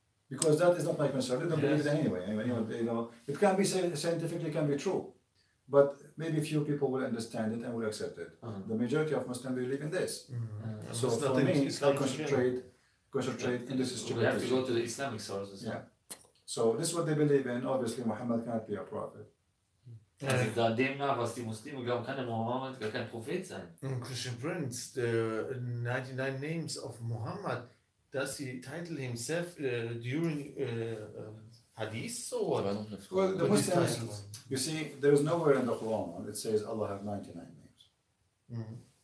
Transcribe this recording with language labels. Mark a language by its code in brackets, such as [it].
[en] Because that is not my concern. They don't believe it anyway. You know, it can be scientifically can be true. But maybe few people will understand it and will accept it. Uh-huh. The majority of Muslims believe in this. Mm-hmm. So for me, I'll concentrate in this situation. We have to go to the Islamic sources. Yeah. So this is what they believe in. Obviously, Muhammad cannot be a prophet. [de] Also demnach, was die Muslime glauben, kann der Muhammad gar kein Prophet sein. [en] Christian Prince, the 99 names of Muhammad, does he title himself during Hadith or what? Well, the Muslims, you see, there is nowhere in the Quran it says Allah have 99 names. Mm-hmm.